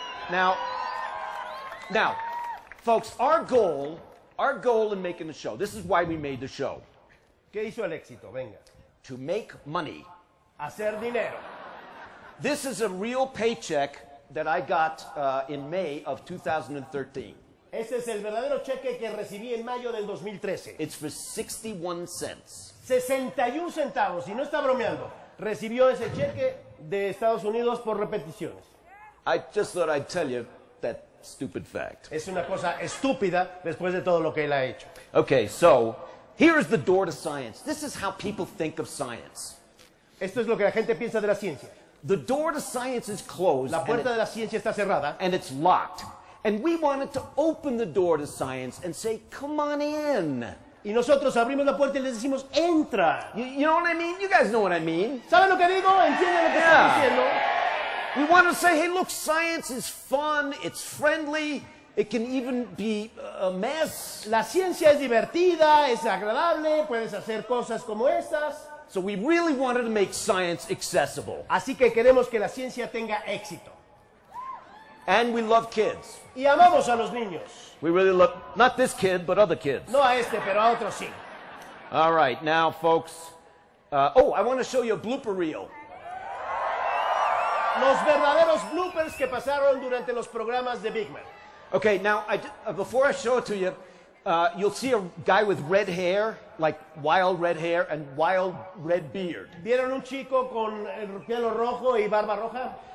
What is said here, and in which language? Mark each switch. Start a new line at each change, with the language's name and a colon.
English: Now, folks, our goal Our goal in making the show, this is why we made the show.
Spanish: ¿Qué hizo el éxito? Venga.
English: To make money.
Spanish: Hacer dinero.
English: This is a real paycheck that I got in May of 2013.
Spanish: Este es el verdadero cheque que recibí en mayo del 2013.
English: It's for 61 cents.
Spanish: 61 centavos, y no está bromeando. Recibió ese cheque de Estados Unidos por repeticiones.
English: I just thought I'd tell you that stupid fact.
Spanish: Es una cosa estúpida después de todo lo que él ha hecho.
English: Okay, so here is the door to science. This is how people think of science.
Spanish: Esto es lo que la gente piensa de la ciencia.
English: The door to science is closed.
Spanish: La puerta de la ciencia está cerrada.
English: And it's locked. And we wanted to open the door to science and say, come on in.
Spanish: Y nosotros abrimos la puerta y les decimos, entra.
English: You know what I mean? You guys know what I mean.
Spanish: ¿Saben lo que digo? ¿Entienden lo que
English: yeah.
Spanish: estoy diciendo?
English: We want to say, hey, look, science is fun, it's friendly, it can even be a mess.
Spanish: La ciencia es divertida, es agradable, puedes hacer cosas como estas.
English: So we really wanted to make science accessible.
Spanish: Así que queremos que la ciencia tenga éxito.
English: And we love kids.
Spanish: Y amamos a los niños.
English: We really love, not this kid, but other kids.
Spanish: No a este, pero a otros sí.
English: All right, now, folks. I want to show you a blooper reel.
Spanish: Los verdaderos bloopers que pasaron durante los programas de Beakman.
English: Okay, now, before I show it to you, you'll see a guy with red hair, like wild red hair and wild red beard.
Spanish: ¿Vieron un chico con el pelo rojo y barba roja?